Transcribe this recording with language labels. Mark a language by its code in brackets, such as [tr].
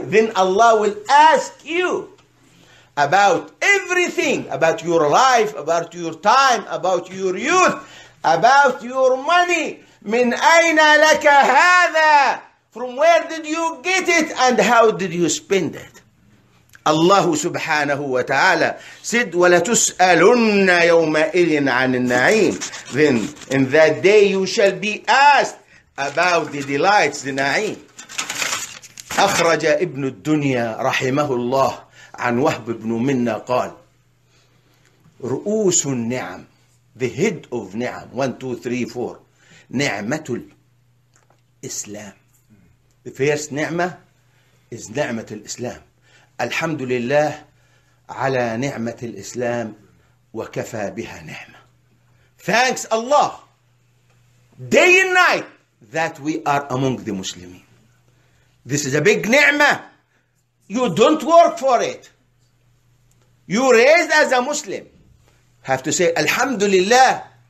[en] Then Allah will ask you about everything, about your life, about your time, about your youth, about your money. [ar] من أين لك هذا? [en] From where did you get it and how did you spend it? [ar] الله سبحانه وتعالى said, ولتسألن يومئذ عن النعيم. [en] Then in that day you shall be asked about the delights, the na'im. [ar] أخرج ابن الدنيا رحمه الله عن وهب بن منا قال رؤوس النعم. [en] The head of نعم. 1, 2, 3, 4. [ar] نعمة الإسلام. [en] The first [ar] نعمة is نعمة الإسلام. الحمد لله على نعمة الإسلام وكفى بها نعمة. [en] Thanks Allah day and night that we are among the Muslims. This is a big نعمة. You don't work for it. You raised as a Muslim. Have to say, Alhamdulillah.